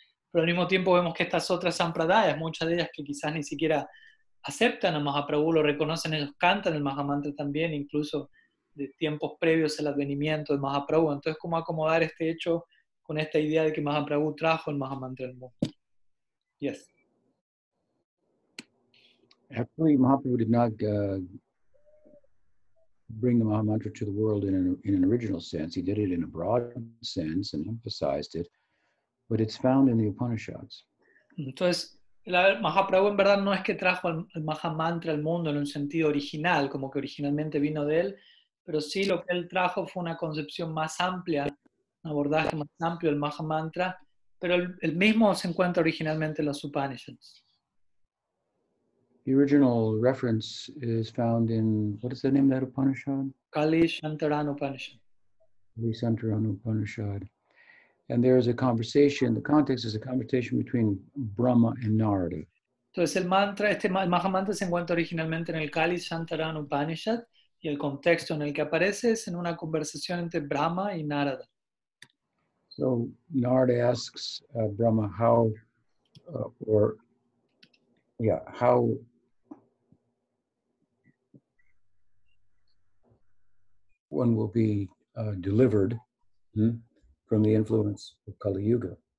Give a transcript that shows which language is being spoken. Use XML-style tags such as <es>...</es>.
<es>Pero al mismo tiempo vemos que estas otras Sampradayas, muchas de ellas que quizás ni siquiera aceptan a Mahaprabhu, lo reconocen, ellos cantan el Mahamantra también, incluso de tiempos previos al advenimiento de Mahaprabhu. Entonces, ¿cómo acomodar este hecho con esta idea de que Mahaprabhu trajo el Mahamantra al mundo?</es> <en>Yes. Actually, Mahaprabhu did not bring the Mahamantra to the world in an original sense. He did it in a broad sense and emphasized it. But it's found in the Upanishads.</en> <es>Entonces, la Mahaprabhu en verdad no es que trajo el Maha Mantra al mundo en un sentido original, como que originalmente vino de él, pero sí lo que él trajo fue una concepción más amplia, abordaje más amplio, el Maha Mantra, pero el mismo se encuentra originalmente en los Upanishads.</es> <en>The original reference is found in, what is the name of that Upanishad? Kali Shantaran Upanishad. Kali Shantaran Upanishad. And there is a conversation, the context is a conversation between Brahma and Narada.</en> <es>Entonces el mantra, este el Maha Mantra se encuentra originalmente en el Kali Shantaran Upanishad y el contexto en el que aparece es en una conversación entre Brahma y Narada.</es> <en>So Narada asks Brahma how, or yeah, how, one will be delivered from the influence of Kali Yuga.</en>